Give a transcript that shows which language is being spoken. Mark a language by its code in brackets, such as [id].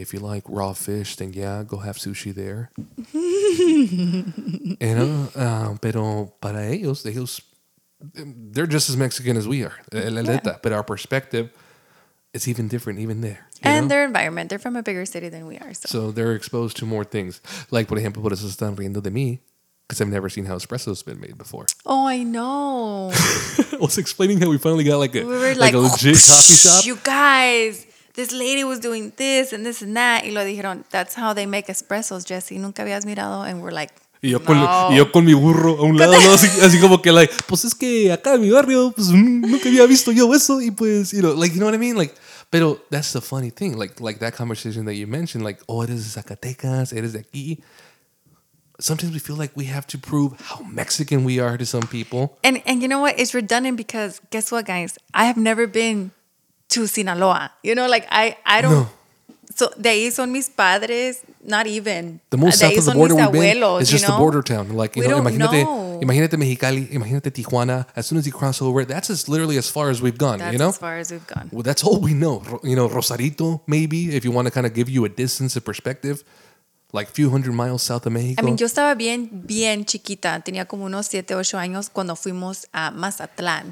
[en] If you like raw fish, then yeah, go have sushi there. You know, [es] pero para ellos, [en] they're just as Mexican as we are. [es] La neta. [en] But our perspective is even different, even there. And know? Their environment. They're from a bigger city than we are. So they're exposed to more things. [es] Like, por ejemplo, por eso están riendo de mí. [en] Because I've never seen how espresso's been made before. Oh, I know. I was explaining how we finally got like a legit coffee shop. You guys, this lady was doing this and this and that. [es] Y lo dijeron, [en] that's how they make espressos, Jesse. [es] Nunca habías mirado. [en] And we're like, [es] y yo, no. Y yo con mi burro a un lado, ¿no? Así como que like, pues es que acá en mi barrio, pues nunca había visto yo eso. [en] Y pues, you know, like, you know what I mean? Like, pero that's the funny thing. Like that conversation that you mentioned, like, [es] oh, eres de Zacatecas, eres de aquí. [en] Sometimes we feel like we have to prove how Mexican we are to some people. And you know what? It's redundant because guess what, guys? I have never been to Sinaloa. You know, like I don't. No. So [es] de ahí son mis padres. [en] Not even. The most south of the border we've been is just the border town. Like, you know, [es] imagínate Mexicali, imagínate Tijuana. [en] As soon as you cross over, that's as literally as far as we've gone, you know? That's as far as we've gone. Well, that's all we know. You know, Rosarito, maybe, if you want to kind of give you a distance of perspective. Like a few hundred miles south of Mexico. [es] I mean, yo estaba bien, bien chiquita. Tenía como unos 7, 8 años cuando fuimos a Mazatlán.